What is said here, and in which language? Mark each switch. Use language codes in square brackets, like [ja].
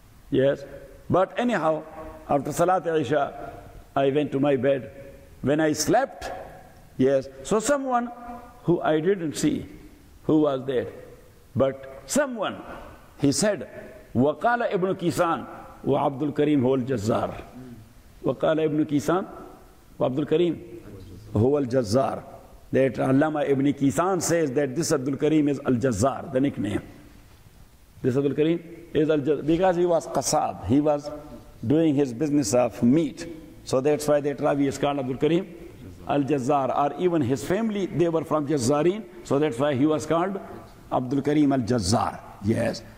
[en] Yes, but anyhow, after Salat Isha, I went to my bed. When I slept, yes, so someone who I didn't see, who was there, but someone, he said, [ar] وَقَالَ إِبْنُ كِسَانَ وعبد الكريم هو الجزار. وقال ابن كيسان وعبد الكريم هو الجزار. [en] That Allama Ibn Kisan says that this Abdul Karim is Al-Jazzar, the nickname. This Abdul Karim is Al-Jazzar because he was Qasab. He was doing his business of meat. So that's why the Ravi is called Abdul Karim Al-Jazzar. Or even his family, they were from Jazzarin. So that's why he was called Abdul Karim Al-Jazzar. Yes.